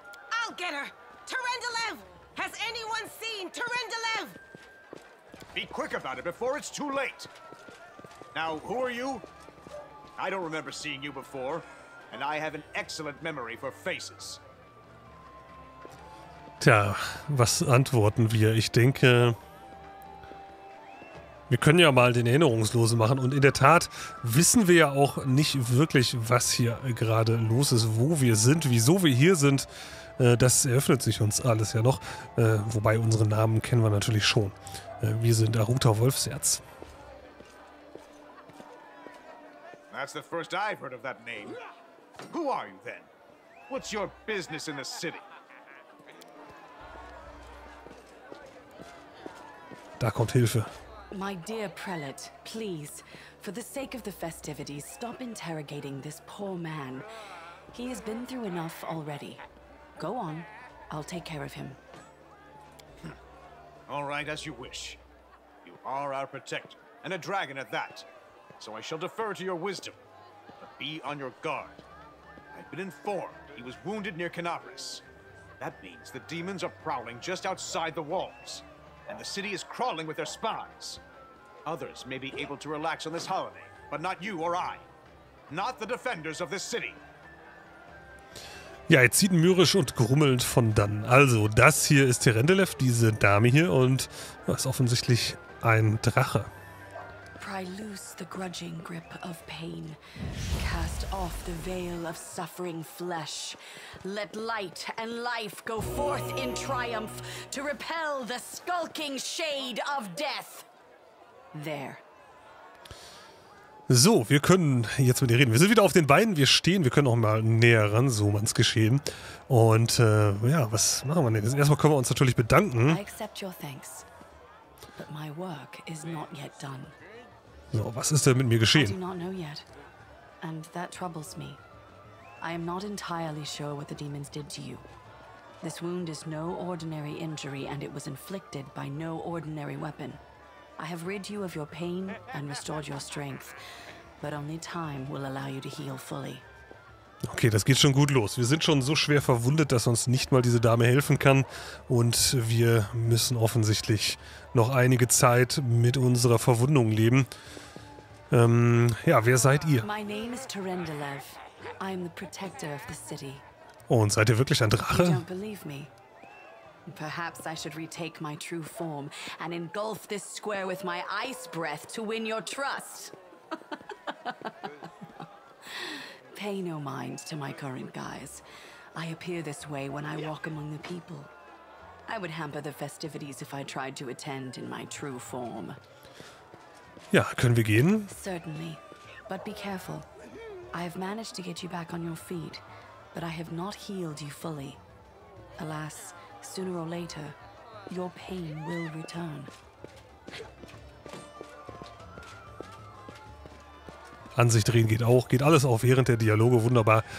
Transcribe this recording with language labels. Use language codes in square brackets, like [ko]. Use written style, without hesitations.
[en] I'll get her! Terendalev! Has anyone seen Terendalev? Be quick about it before it's too late! Now, who are you? I don't remember seeing you before, and I have an excellent memory for faces. [de] Tja, was antworten wir? Ich denke, wir können ja mal den Erinnerungslosen machen und in der Tat wissen wir ja auch nicht wirklich, was hier gerade los ist, wo wir sind, wieso wir hier sind. Das eröffnet sich uns alles ja noch, wobei unsere Namen kennen wir natürlich schon. Wir sind Aruta Wolfsherz. [en] That's the first I've heard of that name. Who are you then? What's your business in the city? [de] Da kommt Hilfe. [en] My dear prelate, please, for the sake of the festivities, stop interrogating this poor man. He has been through enough already. Go on, I'll take care of him. All right, as you wish. You are our protector, and a dragon at that. So I shall defer to your wisdom, but be on your guard. I've been informed he was wounded near Canaveras. That means the demons are prowling just outside the walls, and the city is crawling with their spies. Others may be able to relax on this holiday, but not you or I. Not the defenders of this city. [de] Ja, er zieht mürrisch und grummelnd von dann. Also, das hier ist Terendelev, diese Dame hier, und das ist offensichtlich ein Drache. [en] Pry loose the grudging grip of pain. Cast off the veil of suffering flesh. Let light and life go forth in triumph to repel the skulking shade of death. There. [de] So, wir können jetzt mit dir reden. Wir sind wieder auf den Beinen, wir stehen, wir können auch mal näher ran, so man's geschehen. Und ja, was machen wir denn jetzt? Erstmal können wir uns natürlich bedanken. [en] I accept your thanks, but my work is not yet done. [de] So, was ist denn mit mir geschehen? [en] I do not know yet, and that troubles me. I am not entirely sure what the demons did to you. This wound is no ordinary injury, and it was inflicted by no ordinary weapon. I have rid you of your pain and restored your strength, but only time will allow you to heal fully. [de] Okay, das geht schon gut los. Wir sind schon so schwer verwundet, dass uns nicht mal diese Dame helfen kann. Und wir müssen offensichtlich noch einige Zeit mit unserer Verwundung leben. Ja, wer seid ihr? [en] My name is Terendelev. I'm the protector of the city. [de] Und seid ihr wirklich ein Drache? [en] You don't believe me. Perhaps I should retake my true form and engulf this square with my ice breath to win your trust. Pay no mind to my current guise. I appear this way when I walk among the people. I would hamper the festivities if I tried to attend in my true form. [de] Ja, können wir gehen? [en] Certainly. But be careful. I have managed to get you back on your feet, but I have not healed you fully. Alas, sooner or later, your pain will return. [de] Ansicht drehen geht auch, geht alles auch während der Dialoge, wunderbar.